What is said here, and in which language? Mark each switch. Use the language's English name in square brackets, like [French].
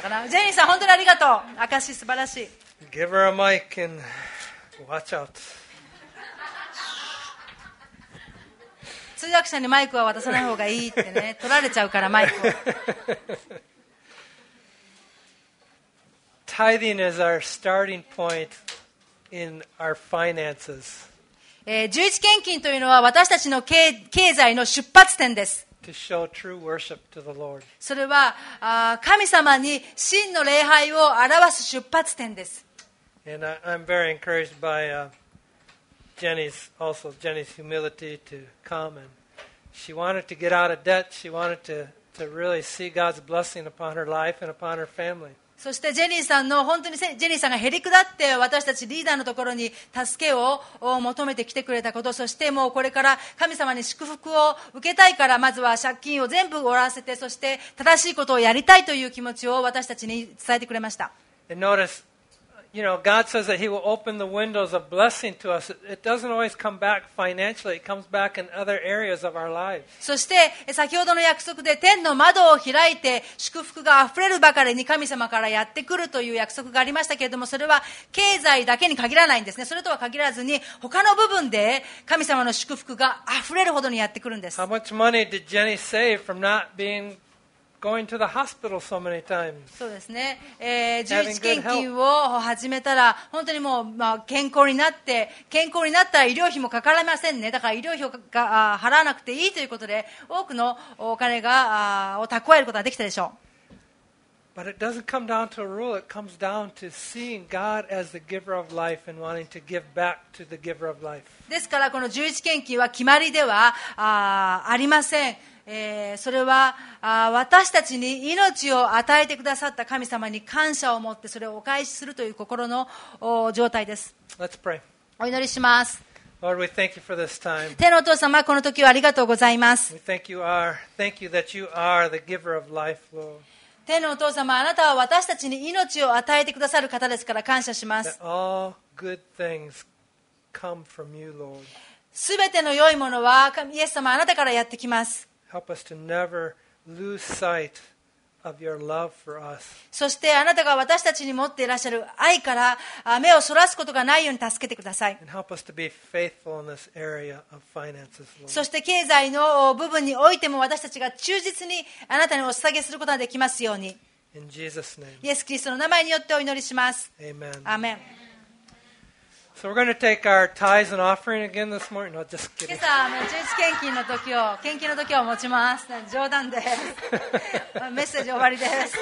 [Japanese] ジェニーさん、本当にありがとう。証し素晴らしい。 [English] Give her a mic and watch out. [Japanese] 通訳者にマイクは渡さない方がいいってね、取られちゃうからマイクを。 [English] Tithing is our starting point in our finances. [Japanese] 十一献金というのは私たちの経済の出発点です。 [English] To show true worship to the Lord. [Japanese] それは神様に真の礼拝を表す出発点です。 [English] And I'm very encouraged by Jenny's also Jenny's humility to come and she wanted to get out of debt. She wanted to really see God's blessing upon her life and upon her family. [Japanese] そしてジェニーさんの本当にジェニーさんがへりくだって私たちリーダーのところに助けを求めてきてくれたこと、そしてもうこれから神様に祝福を受けたいからまずは借金を全部終わらせて、そして正しいことをやりたいという気持ちを私たちに伝えてくれました。 [English] And notice, you know, God says that he will open the windows of blessing to us. It doesn't always come back financially. It comes back in other areas of our lives. [Japanese] そして先ほどの約束で天の窓を開いて祝福が溢れるばかりに神様からやってくるという約束がありましたけれども、それは経済だけに限らないんですね。それとは限らずに他の部分で神様の祝福が溢れるほどにやってくるんです。 [English] How much money did Jenny save from not beingGoing to the hospital so many times. [Japanese] そうですね。十一献金を始めたら本当にもう、まあ、健康になって、健康になったら医療費もかからませんね。だから医療費が払わなくていいということで多くのお金がを蓄えることができたでしょう。 [English] But it doesn't come down to a rule. It comes down to seeing God as the giver of life and wanting to give back to the giver of life. [Japanese] ですからこの十一献金は決まりではありません。それは私たちに命を与えてくださった神様に感謝を持ってそれをお返しするという心の状態です。 [English] Let's pray. [Japanese] お祈りします。 [English] Lord, we thank you for this time. [Japanese] 天のお父様、この時はありがとうございます。 [English] We thank you that you are the giver of life, Lord. [Japanese] 天のお父様、あなたは私たちに命を与えてくださる方ですから感謝します。 [English] All good things come from you, Lord. [Japanese] すべての良いものはイエス様、あなたからやってきます。 [English] Help us to never lose sight of your love for us. [Japanese] そしてあなたが私たちに持っていらっしゃる愛から目をそらすことがないように助けてください。 [English] And help us to be faithful in this area of finances, Lord. [Japanese] そして経済の部分においても私たちが忠実にあなたにお捧げすることができますように。 [English] In Jesus' name. [Japanese] イエス・キリストの名前によってお祈りします。 [English] Amen. Amen. So we're going to take our tithes and offering again this morning. No, just kidding. [Japanese] 今朝も十一献金の時を献金の時を持ちます。冗談です。メッセージ終わりです。